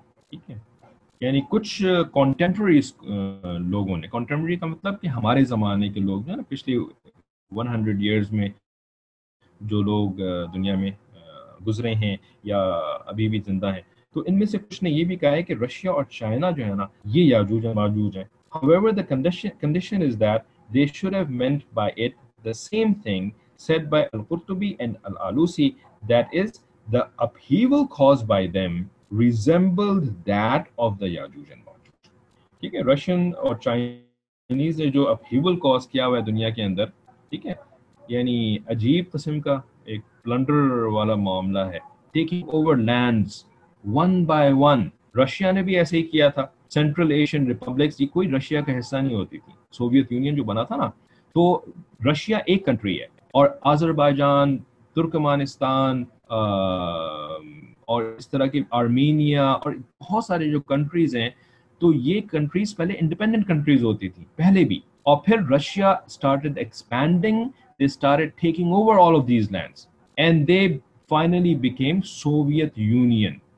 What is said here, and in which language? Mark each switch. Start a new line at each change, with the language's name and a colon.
Urdu: ٹھیک ہے, یعنی کچھ کانٹمپرری لوگوں نے, کانٹمپرری کا مطلب کہ ہمارے زمانے کے لوگ جو ہے نا, پچھلے 100 ایئرس میں جو لوگ دنیا میں گزرے ہیں یا ابھی بھی زندہ ہیں, تو ان میں سے کچھ نے یہ بھی کہا ہے کہ رشیا اور چائنا جو ہے نا یہ یاجوج ماجوج ہیں.
English: However, the condition is that they should have meant by it the same thing said by Al-Qurtubi and Al-Alusi, that is, the upheaval caused by them resembled that of the یاجوج ماجوج.
Urdu: ٹھیک ہے, Russian اور Chinese نے جو upheaval cause کیا ہوا ہے دنیا کے اندر, ٹھیک ہے, یعنی عجیب قسم کا ایک پلنڈر والا معاملہ ہے,
English: Taking over lands one by one.
Urdu: Russia نے بھی ایسے ہی کیا تھا, سینٹرل ایشین ریپبلکس, یہ کوئی رشیا کا حصہ نہیں ہوتی تھی, سوویت یونین جو بنا تھا نا, تو رشیا ایک کنٹری ہے, اور آذربائیجان, ترکمانستان, اور اس طرح کی آرمینیا اور بہت سارے جو کنٹریز ہیں, تو یہ کنٹریز پہلے انڈیپینڈنٹ کنٹریز ہوتی تھیں پہلے بھی, اور پھر
English: Russia started expanding, they started taking over all of these lands, and they finally became Soviet Union.